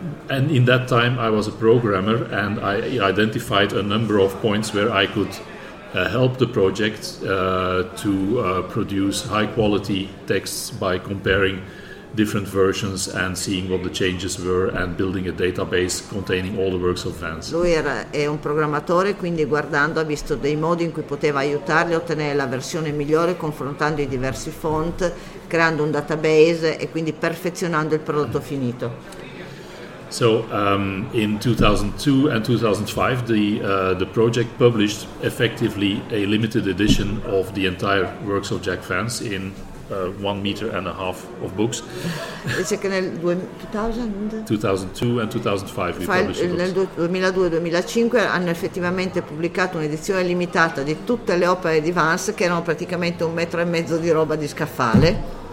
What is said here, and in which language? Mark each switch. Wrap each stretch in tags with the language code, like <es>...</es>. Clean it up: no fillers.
<en>And in that time I was a programmer, and I identified a number of points where I could help the project to produce high quality texts by comparing different versions and seeing what the changes were and building a database containing all the works of Vance.</en> <it>Lui è un programmatore, quindi guardando ha visto dei modi in cui poteva aiutarli a ottenere la versione migliore confrontando i diversi font, creando un database e quindi perfezionando il prodotto finito.</it> <en>So in 2002 and 2005 the project published effectively a limited edition of the entire works of Jack Vance in 1 meter and a half of books.</en> <it>Dice che nel</it> <en>2002 and 2005 we published books.</en> <it>Nel 2002-2005 hanno effettivamente pubblicato un'edizione limitata di tutte le opere di Vance, che erano praticamente un metro e mezzo di roba di scaffale.</it>